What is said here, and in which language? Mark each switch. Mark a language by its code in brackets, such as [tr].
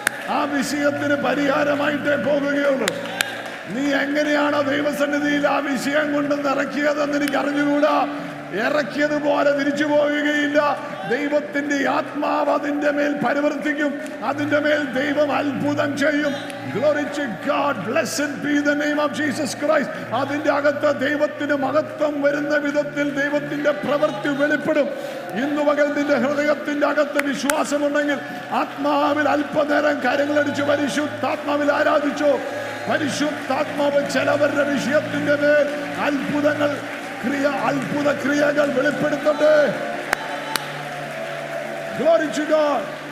[ml] ആ വിഷയത്തിന് പരിഹാരമായിട്ടേ പോകുകയുള്ളൂ. നീ എങ്ങനെയാണോ ദൈവസന്നിധിയിൽ ആ വിഷയം കൊണ്ടുവന്ന് ഇറക്കിയതെന്ന് എനിക്ക് അറിഞ്ഞുകൂടാ. ഇറക്കിയതുപോലെ തിരിച്ചു പോവുകയില്ല. ദൈവത്തിന്റെ ആത്മാവ് അതിന്റെ മേൽ പരിവർത്തിക്കും. അതിന്റെ മേൽ ദൈവം അത്ഭുതം ചെയ്യും. [en] Glory to God. Blessed be the name of Jesus Christ. [ml] അതിന്റെ അകത്ത് ദൈവത്തിന് മഹത്വം വരുന്ന വിധത്തിൽ ദൈവത്തിന്റെ പ്രവൃത്തി വെളിപ്പെടും. ഇന്ന് പകൽ നിന്റെ ഹൃദയത്തിന്റെ അകത്ത് വിശ്വാസമുണ്ടെങ്കിൽ ആത്മാവിൽ അല്പനേരം കരങ്ങളടിച്ച് പരിശുദ്ധാത്മാവിൽ ആരാധിച്ചോ. പരിശുദ്ധാത്മാവ് ചിലവരുടെ വിഷയത്തിന്റെ മേൽ അത്ഭുതങ്ങൾ അത്ഭുത ക്രിയകൾ വെളിപ്പെടുത്തട്ടെ. [en] Glory to God.